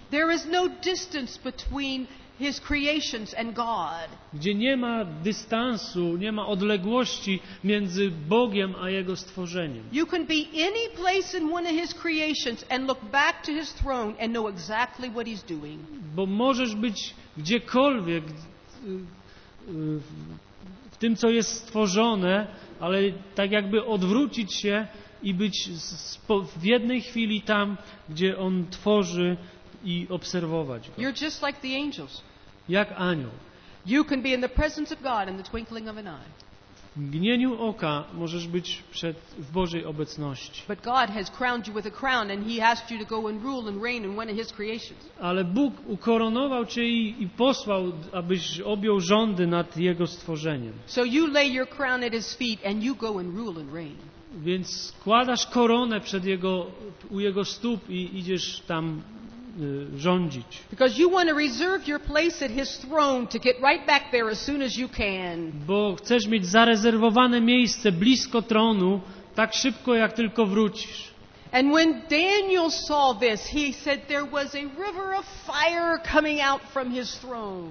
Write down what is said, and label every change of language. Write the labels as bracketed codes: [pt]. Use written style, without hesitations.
[en] There is no distance between his creations and God. [pl] Gdzie nie ma dystansu, nie ma odległości między Bogiem a jego stworzeniem. [en] You can be any place in one of his creations and look back to his throne and know exactly what he's doing. [pl] Bo możesz być gdziekolwiek w tym, co jest stworzone, ale tak jakby odwrócić się i być w jednej chwili tam, gdzie on tworzy, i obserwować go. [en] You're just like the angels. [pl] Jak anioł. [en] You can be in the presence of God in the twinkling of an eye. [pl] W mgnieniu oka możesz być w Bożej obecności. [en] But God has crowned you with a crown and he asked you to go and rule and reign in one of his creations. [pl] Ale Bóg ukoronował cię i posłał, abyś objął rządy nad jego stworzeniem. [en] So you lay your crown at his feet and you go and rule and reign. [pl] Więc składasz koronę przed u jego stóp i idziesz tam rządzić. [en] Because you want to reserve your place at his throne to get right back there as soon as you can. [pl] Bo chcesz mieć zarezerwowane miejsce blisko tronu tak szybko, jak tylko wrócisz. [en] And when Daniel saw this, he said there was a river of fire coming out from his throne.